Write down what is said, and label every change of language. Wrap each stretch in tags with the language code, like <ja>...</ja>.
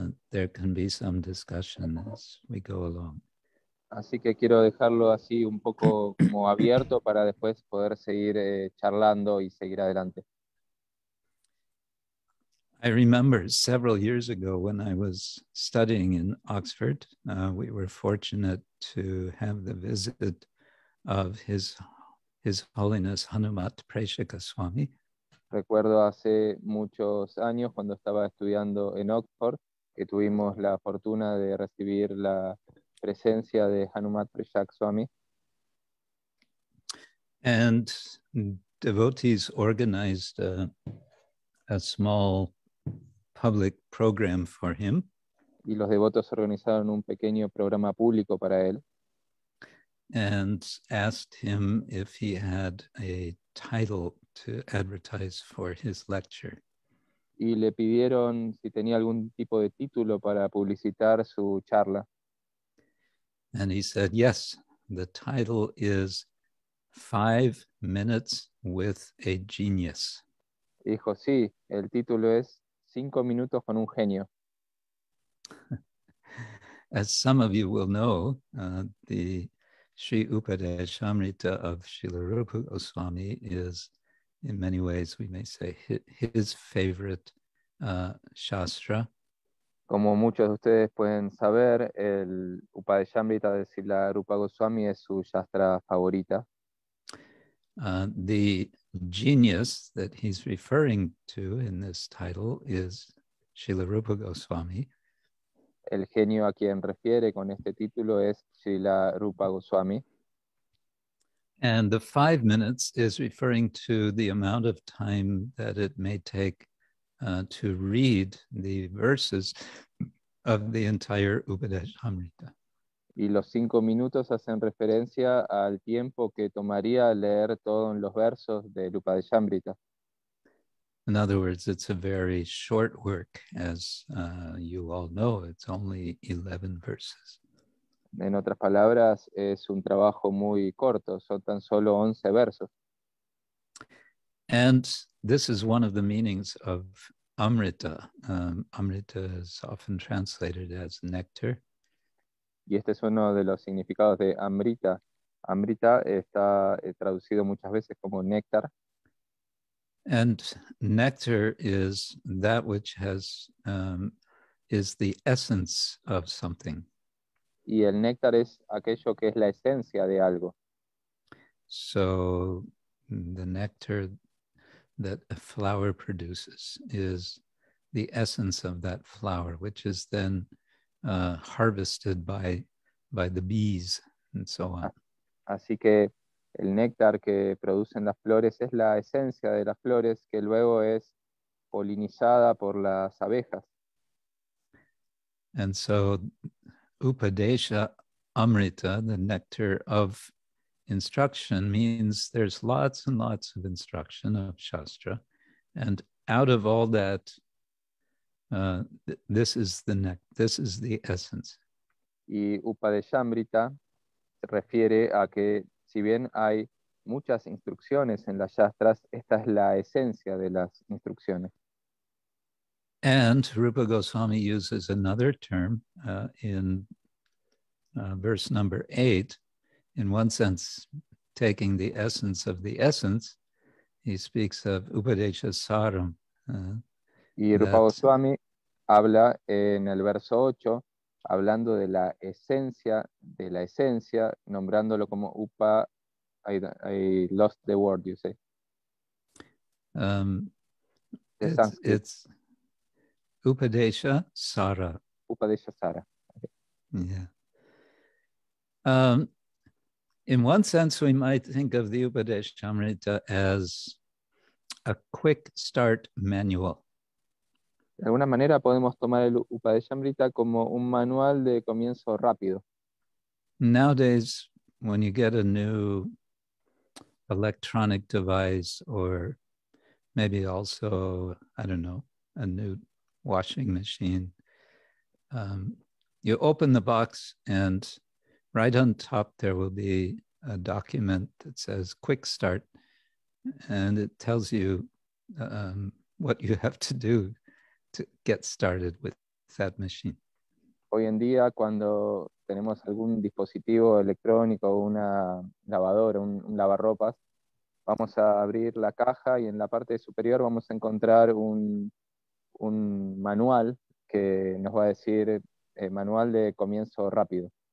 <en>There can be some discussion as we go along.</en> <es>Así que quiero dejarlo así un poco como abierto para después poder seguir charlando y seguir adelante.</es> <en>I remember several years ago when I was studying in Oxford, we were fortunate to have the visit of His Holiness Hanumat Preshaka Swami.</en> <es>Recuerdo hace muchos años cuando estaba estudiando en Oxford que tuvimos la fortuna de recibir la presencia de Hanumat Preshaka Swami.</es> <en>And devotees organized a small public program for him.</en> <es>Y los devotos organizaron un pequeño programa público para él.</es> <en>And asked him if he had a title to advertise for his lecture.</en> <es>Y le pidieron si tenía algún tipo de título para publicitar su charla.</es> <en>And he said, yes, the title is 5 minutes with a genius.</en> <es>Dijo, sí, el título es 5 minutos con un genio.</es> <en>As some of you will know, the Sri Upadesamrta of Srila Rupa Goswami is, in many ways, we may say, his favorite shastra.</en> <es>Como muchos de ustedes pueden saber, el Upadesamrta de Srila Rupa Goswami es su shastra favorita.</es> <en>The genius that he's referring to in this title is Srila Rupa Goswami.</en> <es>El genio a quien refiere con este título es Srila Rupa Goswami.</es> <en>And the 5 minutes is referring to the amount of time that it may take to read the verses of the entire Upadesamrta.</en> <es>Y los 5 minutos hacen referencia al tiempo que tomaría leer todos los versos del Upadesamrta.</es> <en>In other words, it's a very short work, as you all know, it's only 11 verses.</en> <es>En otras palabras, es un trabajo muy corto, son tan solo 11 versos.</es> <en>And this is one of the meanings of Amrita. Amrita is often translated as nectar.</en> <es>Y este es uno de los significados de Amrita. Amrita está traducido muchas veces como néctar.</es> <en>And nectar is that which has is the essence of something.</en> <es>Y el néctar es aquello que es la esencia de algo.</es> <en>So the nectar that a flower produces is the essence of that flower, which is then harvested by the bees and so on.</en> <es>Así que el néctar que producen las flores es la esencia de las flores que luego es polinizada por las abejas.</es> <en>And so, Upadesha Amrita, the nectar of instruction, means there's lots and lots of instruction of Shastra. And out of all that, this is the essence.</en> <es>Y Upadesha Amrita refiere a que si bien hay muchas instrucciones en las shastras, esta es la esencia de las instrucciones.</es> <en>And Rupa Goswami uses another term in verse number 8. In one sense, taking the essence of the essence, he speaks of Upadesha Saram.</en> <es>Y Rupa Goswami habla en el verso 8, hablando de la esencia de la esencia, nombrándolo como Upa.</es> <en>I lost the word, you say. It's Upadesha Sara. Upadesha Sara. Okay. Yeah. In one sense, we might think of the Upadeshamrita as a quick start manual.</en> <es>De alguna manera podemos tomar el Upadeshamrita como un manual de comienzo rápido.</es> <en>nowadays, when you get a new electronic device, or maybe also, I don't know, a new washing machine, you open the box and right on top there will be a document that says quick start, and it tells you what you have to do to get started with that machine.</en> <es>Hoy en día, cuando tenemos algún dispositivo electrónico, una lavadora, un lavarropas, vamos a abrir la caja y en la parte superior vamos a encontrar un manual que nos va a decir manual de comienzo rápido.</es>